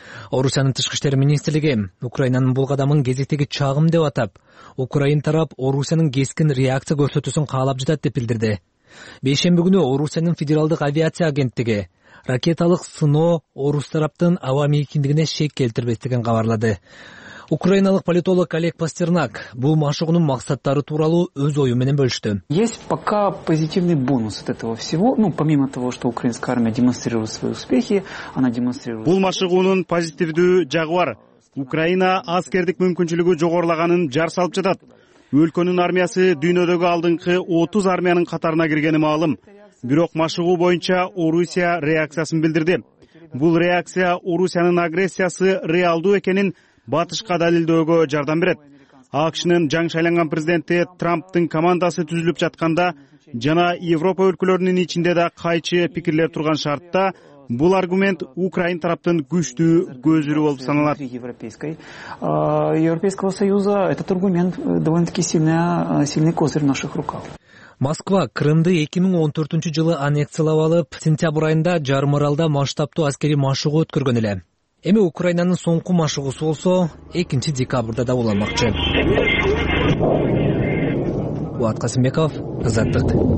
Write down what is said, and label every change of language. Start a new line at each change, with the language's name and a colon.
Kyrgyz: Орусиянын тышкы иштер министрлиги Украинанын бул кадамын кезектеги чагым деп атап, Украин тарап Орусиянын кескин реакция көрсөтүүсүн каалап жатат деп билдирди. Бейшемби күнү Орусиянын Федералдык авиация агенттиги ракеталык сыноо Орус тараптын аба мейкиндигине шек келтирбестигин кабарлады. Украиналык политолог Олег Пастернак бул машыгуунун максаттары тууралуу өз ою менен бөлүштү.
Russian: Есть пока позитивный бонус от этого всего, помимо того, что украинская армия демонстрирует свои успехи, она демонстрирует.
Kyrgyz: Бул машыгуунун позитивдүү жагы бар. Украина аскердик мүмкүнчүлүгү жогорулаганын жар салып жатат. Өлкөнүн армиясы дүйнөдөгү алдыңкы 30 армиянын катарына киргени маалым. Бирок машыгуу боюнча Орусия реакциясын билдирди. Бул реакция Орусиянын агрессиясы реалдуу экенин батышка далилдөөгө жардам берет. АКШнын жаңы шайланган президенти Трамптын командасы түзүлүп жатканда жана Европа өлкөлөрүнүн ичинде да кайчы пикирлер турган шартта бул аргумент Украин тараптын күчтүү көзүрү болуп саналат.
Russian: Европейского союза этот аргумент довольно-таки сильный козырь в наших руках.
Kyrgyz: Москва Крымды 2014 жылы аннексиялап алып, сентябрь айында жарым аралда масштабтуу аскерий машыгуу өткөргөн эле. Эми Украинанын соңку машыгуусу болсо 2-декабрда да уланмакчы. Кубат Касымбеков, Азаттык.